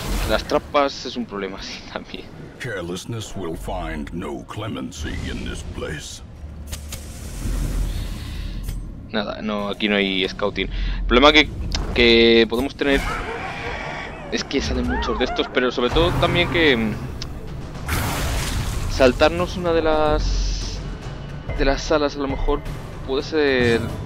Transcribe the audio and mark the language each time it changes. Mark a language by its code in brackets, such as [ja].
[es] Las trampas es un problema así también. [en] Carelessness will find no clemency in this place. [es] Nada, no, aquí no hay scouting. El problema que podemos tener es que salen muchos de estos, pero sobre todo también que saltarnos una de las salas a lo mejor puede ser.